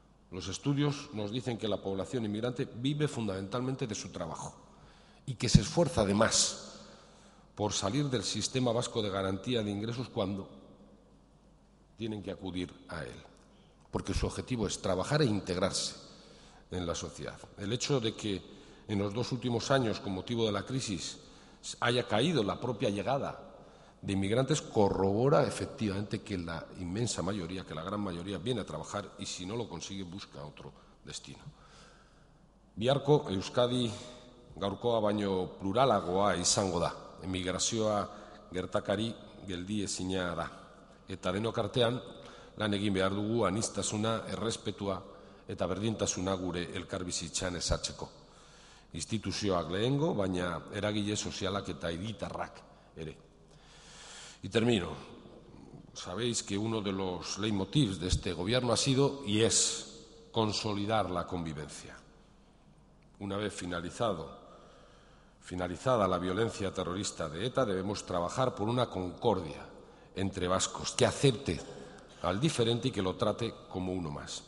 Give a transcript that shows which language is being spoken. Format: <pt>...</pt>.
<es>Los estudios nos dicen que la población inmigrante vive fundamentalmente de su trabajo y que se esfuerza además por salir del sistema vasco de garantía de ingresos cuando tienen que acudir a él, porque su objetivo es trabajar e integrarse en la sociedad. El hecho de que en los dos últimos años, con motivo de la crisis, haya caído la propia llegada de inmigrantes, corrobora efectivamente que la inmensa mayoría, que la gran mayoría, viene a trabajar y si no lo consigue, busca otro destino.</es> <eu>Biharko, Euskadi, gaurkoa baino pluralagoa izango da. Emigrazioa gertakari geldi ezina da. Eta denok artean, lan egin behar dugu aniztasuna, errespetua eta berdintasuna gure elkarbizitzan ezatzeko. Instituzioak lehengo, baina eragile sozialak eta hiritarrak ere.</eu> <es>Y termino. Sabéis que uno de los leitmotivs de este gobierno ha sido y es consolidar la convivencia. Una vez finalizada la violencia terrorista de ETA, debemos trabajar por una concordia entre vascos que acepte al diferente y que lo trate como uno más.</es>